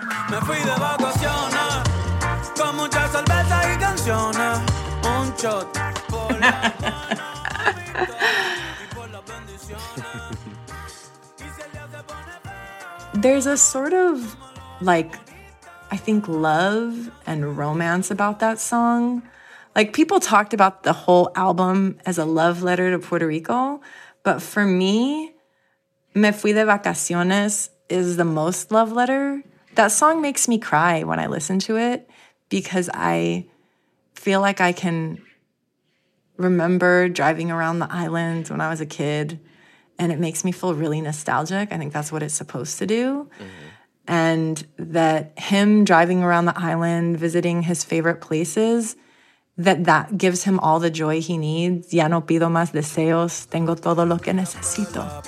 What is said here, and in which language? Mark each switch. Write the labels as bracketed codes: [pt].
[es] Me fui de vacaciones con mucha cerveza y canciones. Un shot [en] There's a sort of, like, I think love and romance about that song. Like, people talked about the whole album as a love letter to Puerto Rico, but for me, Me Fui de Vacaciones is the most love letter. That song makes me cry when I listen to it because I feel like I can remember driving around the island when I was a kid, and it makes me feel really nostalgic. I think that's what it's supposed to do. Mm-hmm. And that him driving around the island, visiting his favorite places, that gives him all the joy he needs. [es] Ya no pido más deseos, tengo todo lo que necesito.